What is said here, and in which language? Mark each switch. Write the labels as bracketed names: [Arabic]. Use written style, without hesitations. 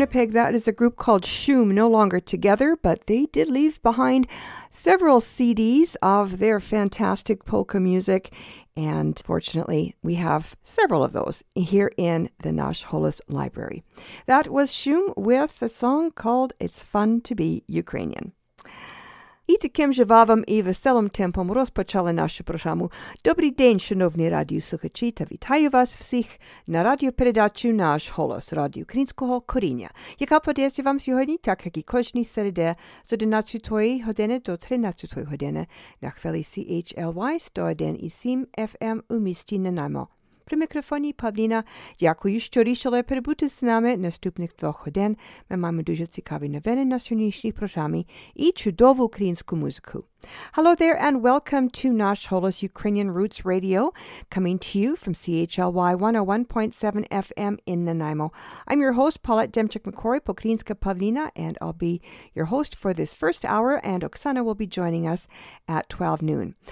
[English] That is a group called Shum, no longer together, but they did leave behind several CDs of their fantastic polka music. And fortunately, we have several of those here in the Nash Holos Library. That was Shum with a song called It's Fun to Be Ukrainian. [Ukrainian] І таким же вавом і веселим темпом розпочали нашу програму. Добрий день, шановні радіослухачі, та вітаю вас всіх на радіопередачу «Наш голос» радіо українського коріння, яка подається вам сьогодні, так як і кожні середи, з 11-ї години до 13-ї години на хвилі CHLY 101.7 FM у місті Нанаймо. При мікрофоні Павліна, дякую, що рішили перебути з нами наступних двох годин. Ми маємо дуже цікаві новини на сьогоднішній програмі і чудову українську музику. [English] Hello there and welcome to Nash Holos Ukrainian Roots Radio, coming to you from CHLY 101.7 FM in Nanaimo. I'm your host, Paulette Demchuk-McCory, Pokrinska Pavlina, and I'll be your host for this first hour, and Oksana will be joining us at 12 noon.